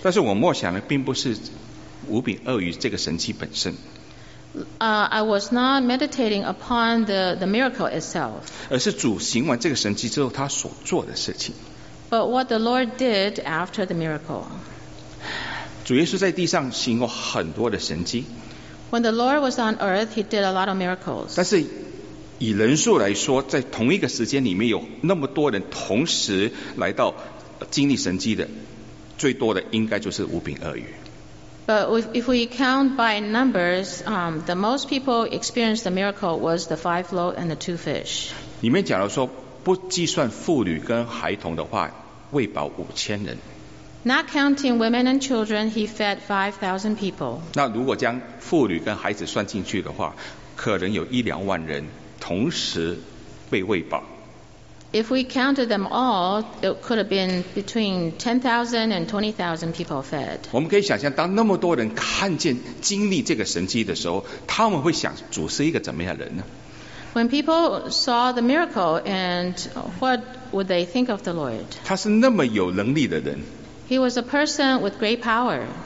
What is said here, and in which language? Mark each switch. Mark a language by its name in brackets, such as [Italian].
[Chinese] 但是我默想的并不是五饼二鱼这个神迹本身。 [English] I was not meditating upon the miracle itself. [Chinese] 而是主行完这个神迹之后他所做的事情。 [English] But what the Lord did after the miracle. [Chinese] 主耶稣在地上行过很多的神迹。 [English] When the Lord was on earth, he did a lot of miracles. [Chinese] 但是以人数来说，在同一个时间里面有那么多人同时来到经历神迹的，最多的应该就是五饼二鱼。 [English] But if we count by numbers, the most people experienced the miracle was the five loaves and the two fish. [Chinese] 里面讲到说不计算妇女跟孩童的话，喂饱五千人。 [English] Not counting women and children, he fed 5,000 people. [Chinese] 那如果将妇女跟孩子算进去的话，可能有一两万人同时被喂饱。 [English] If we counted them all, it could have been between 10,000 and 20,000 people fed. [Chinese] 我们可以想象，当那么多人看见、经历这个神迹的时候，他们会想，主是一个怎么样的人呢？ [English] When people saw the miracle, and what would they think of the Lord? [Chinese] 他是那么有能力的人。 [English] He was a person with great power.